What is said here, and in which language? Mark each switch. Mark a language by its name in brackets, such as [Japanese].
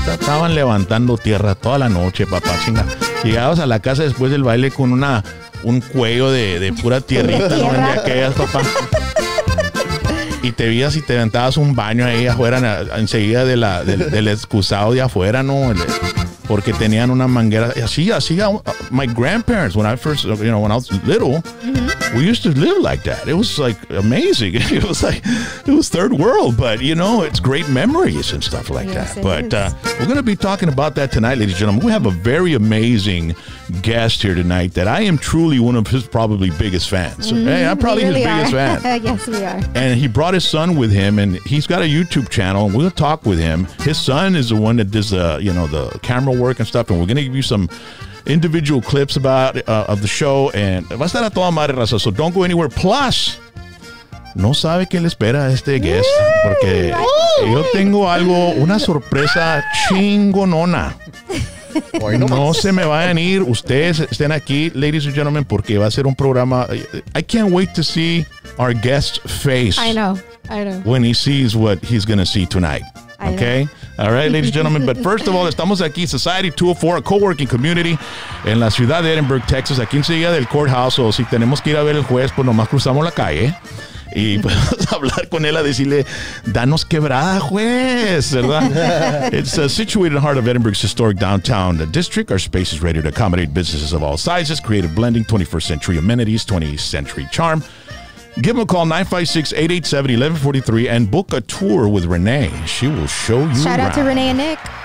[Spanish] Estaban levantando tierra toda la noche, papá, chingada. Llegabas a la casa después del baile con una un cuello de pura tierrita, ¿no? De aquellas, papá. Y te vías y te aventabas un baño ahí afuera, enseguida de la, del excusado de afuera, ¿no? Porque tenían una manguera. [English] Así, my grandparents, when I first, you know, when I was little, we used to live like that. It was like amazing. It was third world, but you know, it's great memories and stuff like that. But we're going to be talking about that tonight, ladies and gentlemen. We have a very amazing guest here tonight that I am truly one of his probably biggest fans. I'm probably his biggest fan. Yes, we are. And he brought his son with him, and he's got a YouTube channel, and we'll talk with him. His son is the one that does the camera work and stuff, and we're going to give you some individual clips about of the show, and [Spanish] va a estar a toda madre, raza, [English] so don't go anywhere. [Spanish] Plus, no sabe qué le espera a este guest, porque yo tengo algo, una sorpresa chingonona. No se me vayan a ir, ustedes estén aquí, [English] ladies and gentlemen, [Spanish] porque va a ser un programa. [English] I can't wait to see our guest's face. I know. When he sees what he's going to see tonight. Okay. All right, ladies and gentlemen. But first of all, [Spanish] estamos aquí, Society 204, [English] a co-working community [Spanish] en la ciudad de Edinburgh, Texas, aquí enseguida del courthouse. O si tenemos que ir a ver el juez, pues nomás cruzamos la calle y podemos hablar con él a decirle, danos quebrada, juez, ¿verdad? [English] It's situated in the heart of Edinburgh's historic downtown district. Our space is ready to accommodate businesses of all sizes, creative blending, 21st century amenities, 20th century charm. Give them a call, 956-887-1143, and book a tour with Renee. She will show you around. Shout out to Renee and Nick.